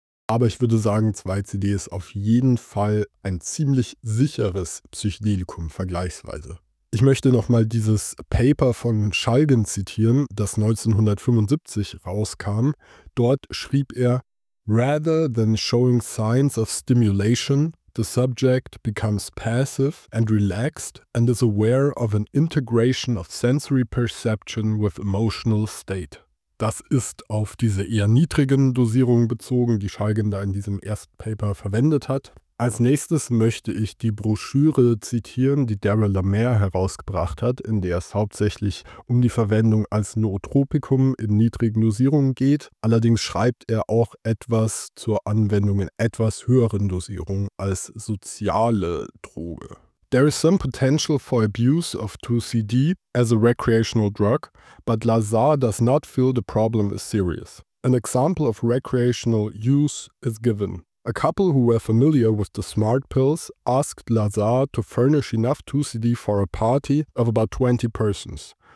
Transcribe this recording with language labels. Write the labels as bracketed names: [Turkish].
[German] Aber ich würde sagen, 2CD ist auf jeden Fall ein ziemlich sicheres Psychedelikum vergleichsweise. Ich möchte nochmal dieses Paper von Schalgen zitieren, das 1975 rauskam. Dort schrieb er: [English] "Rather than showing signs of stimulation, the subject becomes passive and relaxed and is aware of an integration of sensory perception with emotional state." [German] Das ist auf diese eher niedrigen Dosierungen bezogen, die Schalgen da in diesem Erstpaper verwendet hat. Als nächstes möchte ich die Broschüre zitieren, die Daryl Lamer herausgebracht hat, in der es hauptsächlich um die Verwendung als Nootropikum in niedrigen Dosierungen geht. Allerdings schreibt er auch etwas zur Anwendung in etwas höheren Dosierungen als soziale Droge. [English] "There is some potential for abuse of 2CD as a recreational drug, but Lazar does not feel the problem is serious. An example of recreational use is given. A couple who were familiar with the smart pills asked Lazar to furnish enough 2CB for a party of about 20 persons.